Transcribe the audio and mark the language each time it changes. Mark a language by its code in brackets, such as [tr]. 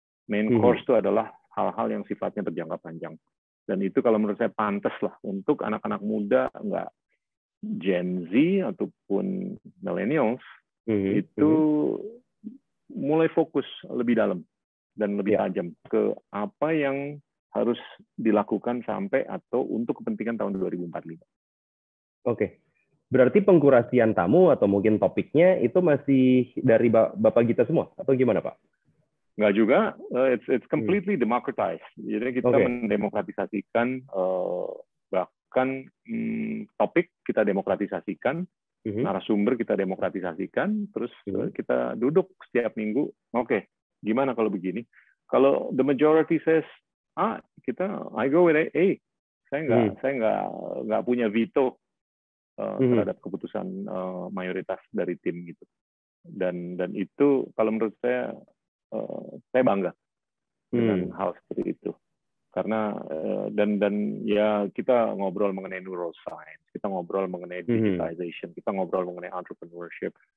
[id] Main course itu adalah hal-hal yang sifatnya berjangka panjang. Dan itu kalau menurut saya pantas lah untuk anak-anak muda, nggak Gen Z ataupun millennials, itu mulai fokus lebih dalam dan lebih tajam ke apa yang harus dilakukan sampai atau untuk kepentingan tahun 2045. Oke. Berarti pengkurasian tamu atau mungkin topiknya itu masih dari Bapak Gita semua atau gimana, Pak? Enggak juga. [en] It's completely democratized. [id] Jadi kita mendemokratisasikan bahkan topik kita demokratisasikan, narasumber kita demokratisasikan, terus kita duduk setiap minggu. Oke. Gimana kalau begini? Kalau [en] the majority says I go with A. [id] Saya nggak punya veto terhadap keputusan mayoritas dari tim gitu. Dan itu kalau menurut saya bangga dengan hal seperti itu. Karena dan ya kita ngobrol mengenai neuroscience, kita ngobrol mengenai digitization, kita ngobrol mengenai entrepreneurship.